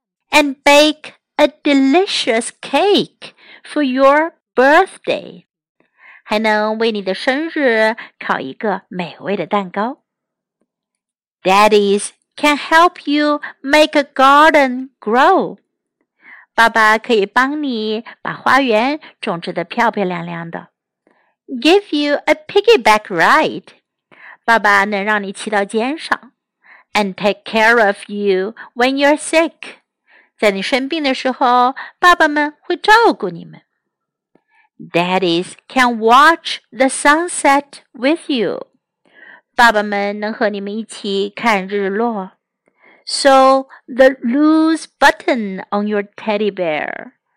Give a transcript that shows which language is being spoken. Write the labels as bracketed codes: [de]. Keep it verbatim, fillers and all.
[en] And bake a delicious cake for your birthday. [zh] 还能为你的生日烤一个美味的蛋糕。 [en] Daddies can help you make a garden grow. [zh] 爸爸可以帮你把花园种植得漂漂亮亮的。 [en] Give you a piggyback ride. [zh] 爸爸能让你骑到肩上。 [en] And take care of you when you're sick. [zh] 在你生病的时候，爸爸们会照顾你们。 [en] Daddies can watch the sunset with you. [zh] 爸爸们能和你们一起看日落。 [en] Sew the loose button on your teddy bear.